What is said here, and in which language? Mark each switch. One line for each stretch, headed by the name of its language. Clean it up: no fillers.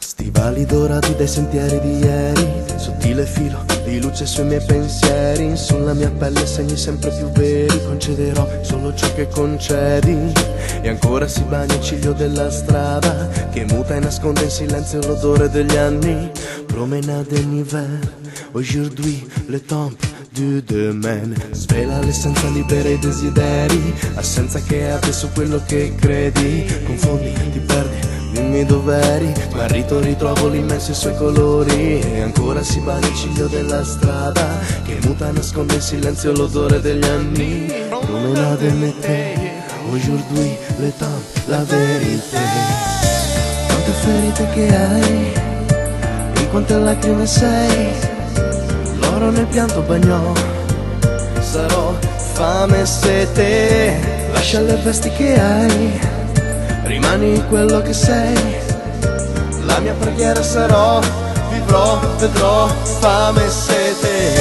Italian: Pali dorati dai sentieri di ieri, sottile filo di luce sui miei pensieri, sulla mia pelle segni sempre più veri, concederò solo ciò che concedi. E ancora si bagna il ciglio della strada, che muta e nasconde in silenzio l'odore degli anni.
French: Promenade en hiver, aujourd'hui le temps du demain.
Italian: Svela l'essenza, libera i desideri, assenza che è adesso quello che credi. Confondi, ti perdi, dimmi dov'eri, guarito ritrovo l'immenso e i suoi colori. E ancora si balla il ciglio della strada, che muta e nasconde in silenzio l'odore degli anni.
French: Promenade en été, aujourd'hui le temps, la vérité.
Italian: Quante ferite che hai, quante lacrime sei, l'oro nel pianto bagnò, sarò fame e sete. Lascia le vesti che hai, rimani quello che sei, la mia preghiera sarò, vivrò, vedrò, fame e sete.